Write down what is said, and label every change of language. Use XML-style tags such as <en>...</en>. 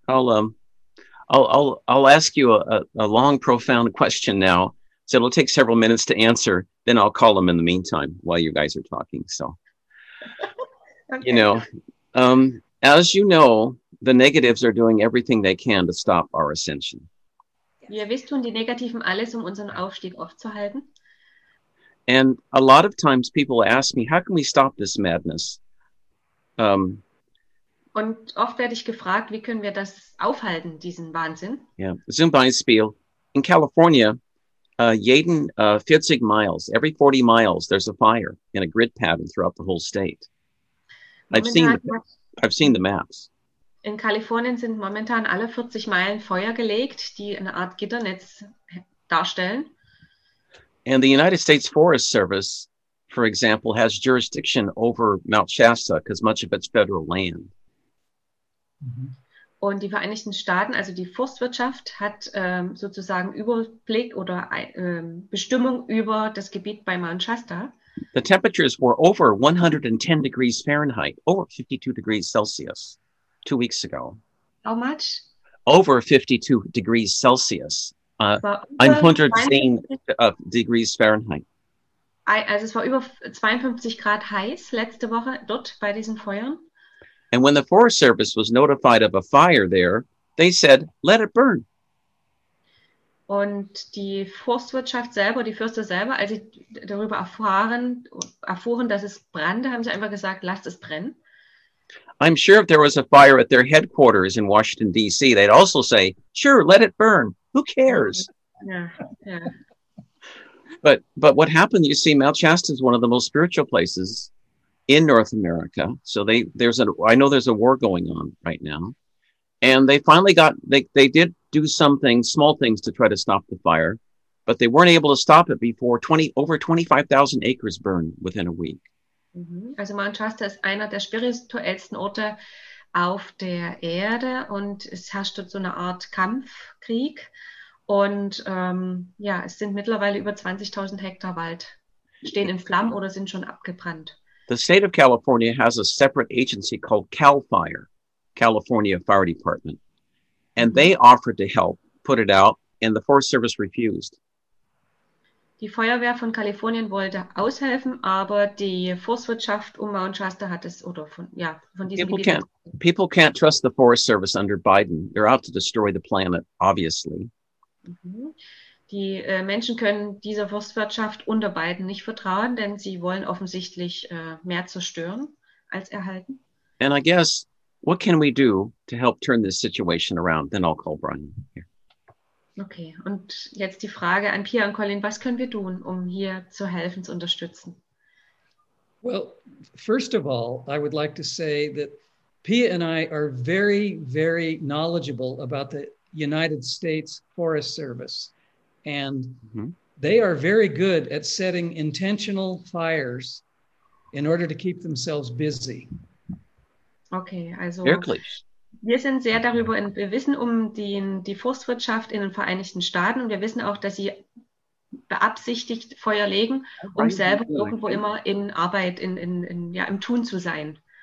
<en>I'll ask you a long, profound question now. So it'll take several minutes to answer. Then I'll call them in the meantime while you guys are talking. So, you know, as you know, the negatives are doing everything they can to stop our ascension.</en> <de>Wie ihr wisst, tun die Negativen alles, um unseren Aufstieg aufzuhalten.</de> <en>And a lot of times people ask me, how can we stop this madness?</en> <de>Und oft werde ich gefragt, wie können wir das aufhalten, diesen Wahnsinn?</de> <en>Yeah,</en> <de>zum Beispiel,</de> <en>in California,</en> <de>jeden</de> <en>40 miles, every 40 miles, there's a fire in a grid pattern throughout the whole state. I've seen the maps.</en> <de>In Kalifornien sind momentan alle 40 Meilen Feuer gelegt, die eine Art Gitternetz darstellen.</de> <en>And the United States Forest Service, for example, has jurisdiction over Mount Shasta because much of it's federal land. Mm-hmm.</en> <de>Und die Vereinigten Staaten, also die Forstwirtschaft, hat sozusagen Überblick oder Bestimmung über das Gebiet bei Mount Shasta.</de> <en>The temperatures were over 110 degrees Fahrenheit, over 52 degrees Celsius. 2 weeks ago. How much? Over 52 degrees Celsius. 110 degrees Fahrenheit.</en> <de>Also es war über 52 Grad heiß letzte Woche dort bei diesen Feuern.</de> <en>And when the Forest Service was notified of a fire there, they said, let it burn.</en> <de>Und die Forstwirtschaft selber, die Förster selber, als sie darüber erfuhren, dass es brannte, haben sie einfach gesagt, lasst es brennen.</de> <en>I'm sure if there was a fire at their headquarters in Washington, D.C., they'd also say, sure, let it burn. Who cares? Yeah. But what happened, you see, Mount Shasta is one of the most spiritual places in North America. So I know there's a war going on right now. And they finally got, they did do something, small things to try to stop the fire, but they weren't able to stop it before over 25,000 acres burned within a week.</en> <de>Also Mount Shasta ist einer der spirituellsten Orte auf der Erde und es herrscht dort so eine Art Kampfkrieg und es sind mittlerweile über 20.000 Hektar Wald stehen in Flammen oder sind schon abgebrannt.</de> <en>The state of California has a separate agency called Cal Fire, California Fire Department, and they offered to help put it out and the Forest Service refused.</en> <de>Die Feuerwehr von Kalifornien wollte aushelfen, aber die Forstwirtschaft um Mount Shasta hat es, oder von diesem</de> <en>people</en> <de>Gebiet.</de> <en>People can't trust the Forest Service under Biden. They're out to destroy the planet, obviously.</en> <de>Die Menschen können dieser Forstwirtschaft unter Biden nicht vertrauen, denn sie wollen offensichtlich mehr zerstören als erhalten.</de> <en>And I guess, what can we do to help turn this situation around? Then I'll call Brian here.</en> <de>Okay, und jetzt die Frage an Pia und Colin, was können wir tun, um hier zu helfen, zu unterstützen?</de> <en>Well, first of all, I would like to say that Pia and I are very, very knowledgeable about the United States Forest Service. And they are very good at setting intentional fires in order to keep themselves busy.</en> <de>Okay, also wirklich. Wir sind sehr darüber, wir wissen um die Forstwirtschaft in den Vereinigten Staaten und wir wissen auch, dass sie beabsichtigt Feuer legen, um selber irgendwo immer in Arbeit, im Tun zu sein.</de>